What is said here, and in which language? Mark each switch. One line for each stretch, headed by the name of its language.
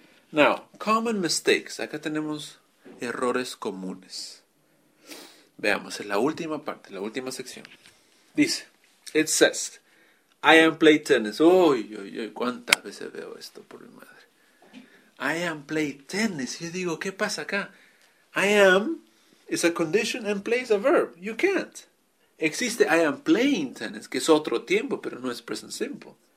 English: Now, common mistakes.
Spanish: Acá tenemos errores comunes. Veamos, es la última parte, la última sección. Dice,
English: it says, I am play tennis.
Spanish: Uy, uy, uy, cuántas veces veo esto, por mi madre.
English: I am play tennis.
Spanish: Yo digo, ¿qué pasa acá?
English: I am is a condition and plays a verb. You can't.
Spanish: Existe
English: I am playing tennis,
Spanish: que es otro tiempo, pero no es present simple.